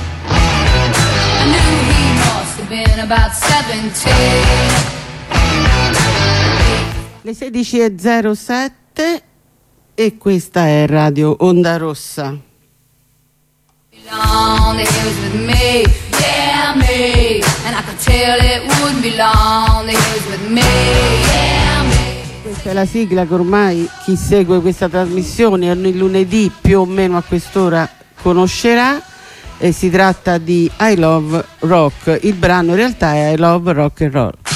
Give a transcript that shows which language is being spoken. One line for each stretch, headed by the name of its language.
English: I knew he must have been about 17.
Italian: Le 16:07 e questa è Radio Onda Rossa.
English: Long, it was with me, yeah, me. And I could tell it wouldn't be long, it was with me, yeah.
Italian: Questa è la sigla che ormai chi segue questa trasmissione ogni lunedì più o meno a quest'ora conoscerà, e si tratta di I Love Rock. Il brano in realtà è I Love Rock and Roll.